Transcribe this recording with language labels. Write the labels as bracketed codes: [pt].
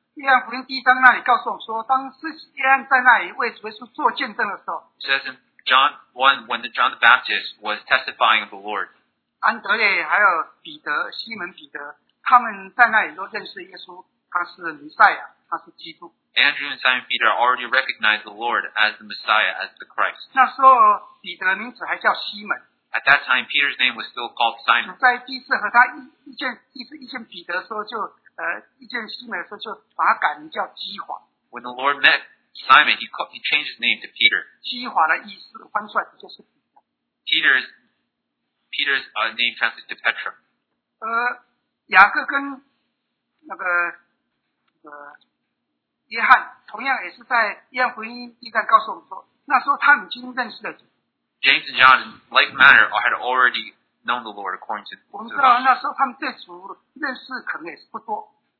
[zh] 约翰福音第一章那里告诉我们说，当施洗约翰在那里为主耶稣做见证的时候。 [en] Says in John 1, when the John the Baptist was testifying of the Lord. [zh] 安德烈还有彼得，西门彼得，他们在那里都认识耶稣，他是弥赛亚，他是基督。 [en] Andrew and Simon Peter already recognized the Lord as the Messiah, as the Christ. [zh] 那时候彼得名字还叫西门。 [en] At that time, Peter's name was still called Simon. [zh] 在第一次和他一见彼得的时候就，一见西门的时候就把他改名叫基华。 [en] When the Lord met Simon, he changed his name to Peter. [zh] 基华的意思翻出来就是彼得。 [en] Peter's name translates to Petra. [zh] 雅各跟约翰同样也是在约翰福音一章告诉我们说，那时候他们已经认识了主。 [en] James and John, in like manner, had already known the Lord according to. [zh] 我们知道那时候他们对主认识可能也是不多。